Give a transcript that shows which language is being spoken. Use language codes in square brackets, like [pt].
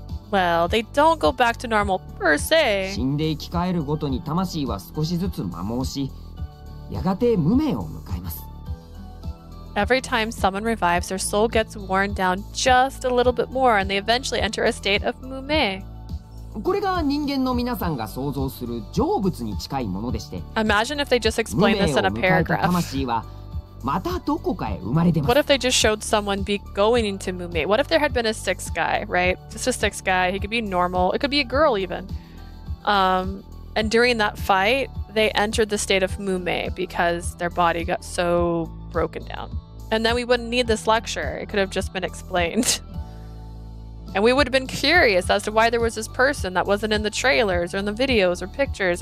[en] Well, they don't go back to normal per se. [ja] 死んで生き返るごとに魂は少しずつ摩耗し、やがて無名を迎えます。 [en] Every time someone revives, their soul gets worn down just a little bit more, and they eventually enter a state of 無名. [ja] これが人間の皆さんが想像する成仏に近いものでして、 [en] Imagine if they just explained this in a paragraph. [ja] 無名を迎えた魂は、またどこかへ生まれてます。 [en] What if they just showed someone be going into Mume? What if there had been a six guy, right? Just a six guy. He could be normal. It could be a girl even. And during that fight, they entered the state of Mume because their body got so broken down. And then we wouldn't need this lecture. It could have just been explained. And we would have been curious as to why there was this person that wasn't in the trailers or in the videos or pictures.